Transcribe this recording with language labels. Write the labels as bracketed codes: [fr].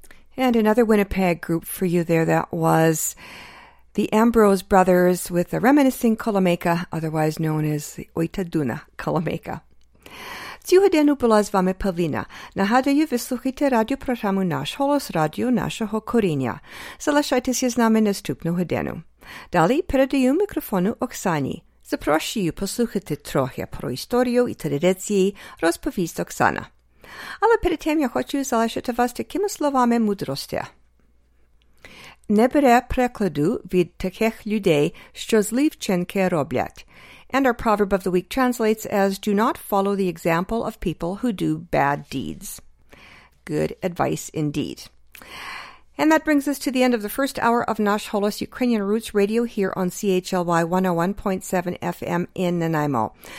[en] recommend another Winnipeg group for you there. That was the Ambrose Brothers with a reminiscing kalamaka, otherwise known as the Oitaduna kalamaka. [uk] Цього дня була з вами Павлина. Нагадую, ви слухаєте радіопрограму «Наш голос», радіо нашого коріння. Залишайтеся з нами наступного дня. Далі передаю мікрофону Оксані. Запрошую послухати трохи про історію і традиції, розповість Оксана. Але перед тим я хочу залишити вас такими словами мудрості. Не бере прикладу від таких людей, що злі вчинки роблять. [en] And our proverb of the week translates as, do not follow the example of people who do bad deeds. Good advice indeed. And that brings us to the end of the first hour of Nash Holos Ukrainian Roots Radio here on CHLY 101.7 FM in Nanaimo.